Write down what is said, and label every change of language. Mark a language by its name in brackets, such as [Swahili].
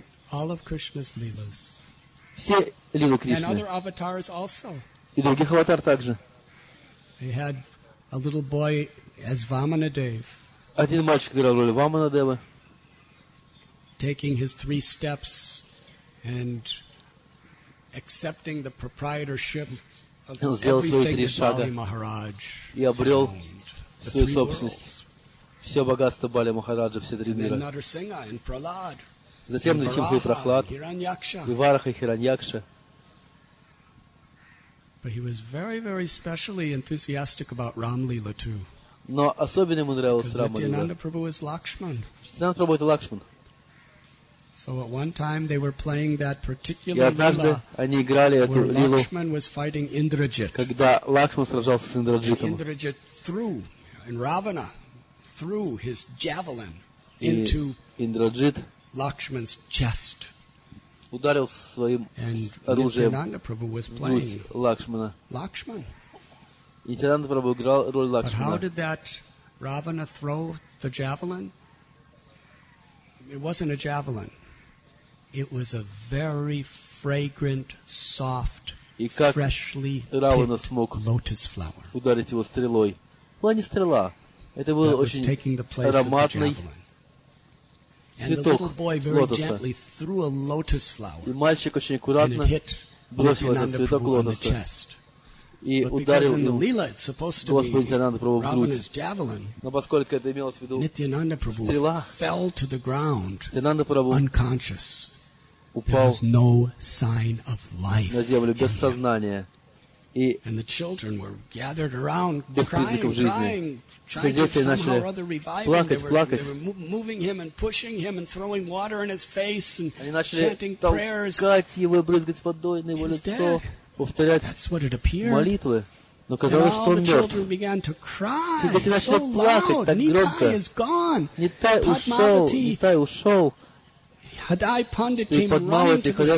[English] All of Krishna's lilas. [Russian] Все лилы Кришны. [English] And other avatars also. [Russian] И других аватар также. [English] They had a little boy as Vamanadev. [Russian] Один мальчик играл роль Ваманадева. [English] Taking his three steps and accepting the proprietorship of everything that Bali Maharaj [Russian] и обрел свою собственность. Все богатство Бали Махараджа, все три мира. [English] And then and Prahlad. [Russian] Затем Нарсингха и Прохлад, и Вараха, и Хираньякша. [English] But he was very, very specially enthusiastic about Ram-лила too. [Russian] Но особенно ему нравилась Рам-лила. [English] Нитянанда Прабху is Лакшман. [Russian] Нитянанда Прабху это Лакшман. [English] So at one time they were playing that particular [Russian] lila. И однажды они играли эту лилу. [English] Лакшман was fighting Индраджит. [Russian] Когда Лакшман сражался с Индраджитом. [English] Индраджит threw, and Равана threw his javelin into [Russian] Индраджит. [English] Lakshman's chest. [Russian] Ударил своим оружием. [English] Нитянанда Прабху was playing [Russian] Лакшмана. Лакшман. Нитянанда Прабху играл роль Лакшмана. [English] But how did that Равана throw the javelin? It wasn't a javelin. It was a very fragrant, soft, freshly picked lotus flower. [Russian] Ударить его стрелой. Была не стрела. Это был очень ароматный. And the little boy very gently threw a lotus flower. И мальчик очень аккуратно бросил этот цветок лотоса. И ударил его. Господь Нитянанда Прабху в грудь. Но поскольку это имелось в виду стрела, Нитянанда Прабху упал [English] no sign of life [Russian] на землю без сознания. И [English] and the children were gathered around [Russian] без признаков жизни. Все дети начали плакать, [English] Moving him and pushing him and throwing water in his face and [Russian] они начали толкать его, брызгать водой на его лицо. Повторять молитвы. Но казалось, что он мертв. И дети начали плакать так громко. Нитай ушел. И Падмавати, когда